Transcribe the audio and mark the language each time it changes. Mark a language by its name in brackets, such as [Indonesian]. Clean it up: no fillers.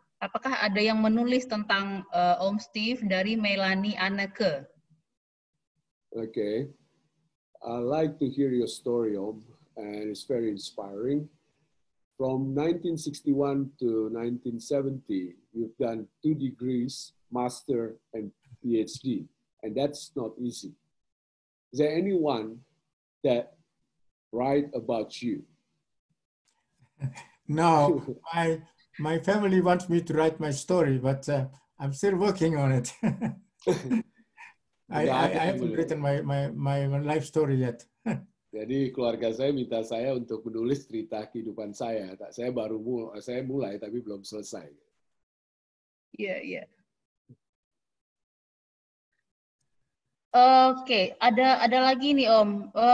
[Indonesian] Apakah ada yang menulis tentang Om Steve dari Melanie Aneke? [English] Okay. I like to hear your story, Om, and it's very inspiring. From 1961 to 1970, you've done 2 degrees, master and PhD, and that's not easy. Is there anyone that write about you? No, my family wants me to write my story, but I'm still working on it. I haven't written my life story yet. [Indonesian] Jadi keluarga saya minta saya untuk menulis cerita kehidupan saya. Saya baru mulai tapi belum selesai. [English] Yeah. [Indonesian] Oke, ada lagi nih Om.